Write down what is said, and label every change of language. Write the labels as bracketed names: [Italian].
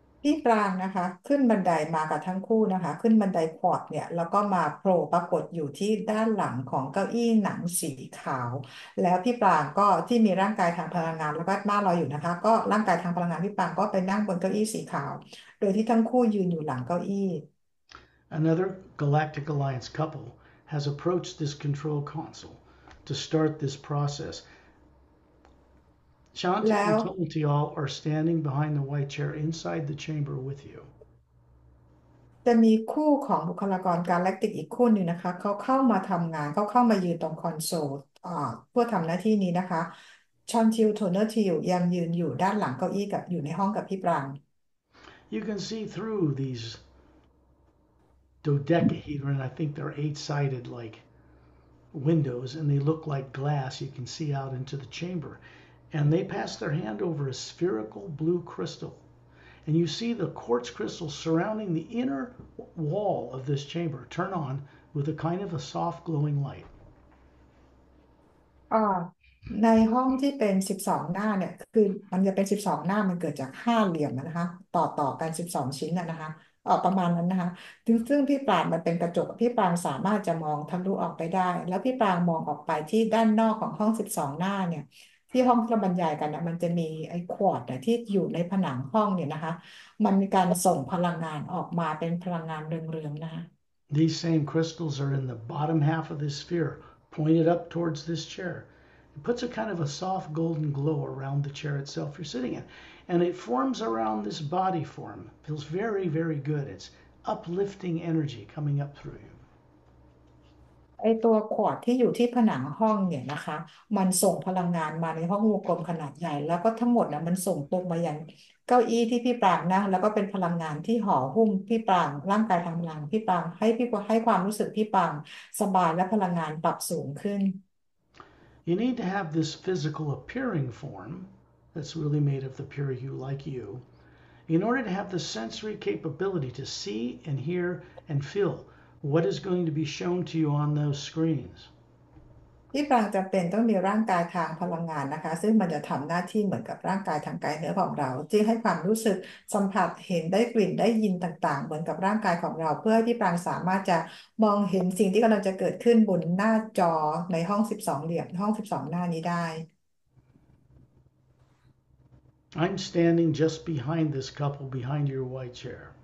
[Thai] พี่ปรางนะคะขึ้นบันไดมากับทั้งคู่นะคะขึ้นบันไดควอดเนี่ยแล้วก็มาโผล่ปรากฏอยู่ที่ด้านหลังของเก้าอี้หนังสีขาวแล้วพี่ปรางก็ที่มีร่างกายทางพลังงานแล้วก็มารออยู่นะคะก็ร่างกายทางพลังงานพี่ปรางก็ไปนั่งบนเก้าอี้สีขาวโดยที่ทั้งคู่ยืนอยู่หลังเก้าอี้ [English] Another Galactic Alliance couple has approached this control console to start this process. Shanti and Tomati all are standing behind the white chair inside the chamber with you. [Thai] จะมีคู่ของบุคลากรการแลคติกอีกคู่หนึ่งนะคะเขาเข้ามาทำงานเขาเข้ามายืนตรงคอนโซลเพื่อทำหน้าที่นี้นะคะชอนทิวโทเนอร์ทิวยังยืนอยู่ด้านหลังเก้าอี้กับอยู่ในห้องกับพี่ปราง [English] You can see through these dodecahedron. I think they're eight-sided like windows, and they look like glass. You can see out into the chamber. And they pass their hand over a spherical blue crystal. And you see the quartz crystal surrounding the inner wall of this chamber turn on with a kind of a soft glowing light. [Thai] ในห้องที่เป็น12หน้าเนี่ยคือมันจะเป็น12หน้ามันเกิดจากห้าเหลี่ยมนะคะต่อกัน12ชิ้นนะคะประมาณนั้นนะคะซึ่งพี่ปรางมันเป็นกระจกพี่ปรางสามารถจะมองทะลุออกไปได้แล้วพี่ปรางมองออกไปที่ด้านนอกของห้อง12หน้าเนี่ยที่ห้องที่เราบรรยายกันนะมันจะมีไอ้ขวดนะที่อยู่ในผนังห้องเนี่ยนะคะมันมีการส่งพลังงานออกมาเป็นพลังงานเรืองๆนะคะ [English] These same crystals are in the bottom half of this sphere, pointed up towards this chair. It puts a kind of a soft golden glow around the chair itself you're sitting in. And it forms around this body form. It feels very, very good. It's uplifting energy coming up through you. [Thai] ไอตัวขวดที่อยู่ที่ผนังห้องเนี่ยนะคะมันส่งพลังงานมาในห้องวงกลมขนาดใหญ่แล้วก็ทั้งหมดนะมันส่งตรงมาอย่างเก้าอี้ที่พี่ปรางนะแล้วก็เป็นพลังงานที่ห่อหุ้มพี่ปรางร่างกายทำงานพี่ปรางให้ความรู้สึกพี่ปรางสบายและพลังงานปรับสูงขึ้น [English] You need to have this physical appearing form that's really made of the pure you like you in order to have the sensory capability to see and hear and feel what is going to be shown to you on those screens. [Thai] พี่ปรางจำเป็นต้องมีร่างกายทางพลังงานนะคะซึ่งมันจะทําหน้าที่เหมือนกับร่างกายทางกายเนื้อของเราจึงให้ความรู้สึกสัมผัสเห็นได้กลิ่นได้ยินต่างๆเหมือนกับร่างกายของเราเพื่อให้พี่ปรางสามารถจะมองเห็นสิ่งที่กำลังจะเกิดขึ้นบนหน้าจอในห้อง12เหลี่ยมห้อง12หน้านี้ได้ [English] I'm standing just behind this couple, behind your white chair.